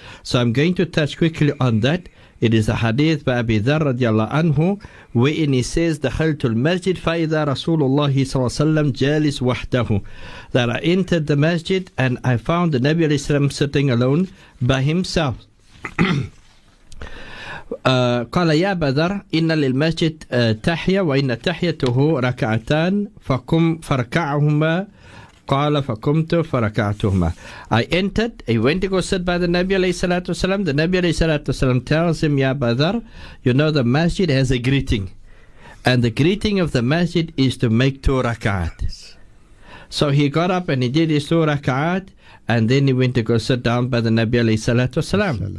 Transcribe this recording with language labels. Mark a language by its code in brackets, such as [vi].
[en] So I'm going to touch quickly on that. It is a hadith by Abi Dharr radiallahu anhu, wherein he says, [ar] دخلت المسجد فإذا رسول الله صلى الله عليه وسلم جالس وحده. [en] That I entered the masjid and I found the Nabi alayhi salam sitting alone by himself. [ar] قال يا بدر إن للمسجد تحية وإن تحيته ركعتان فقم فركعهما قال فقمت فركعتهما. [en] I entered, he went to go sit by the Nabi عليه الصلاة والسلام. The Nabi عليه الصلاة والسلام tells him, يا بدر, you know the masjid has a greeting, and the greeting of the masjid is to make two rakat. So he got up and he did his two rakat, and then he went to go sit down by the Nabi alayhi salatu wasalam.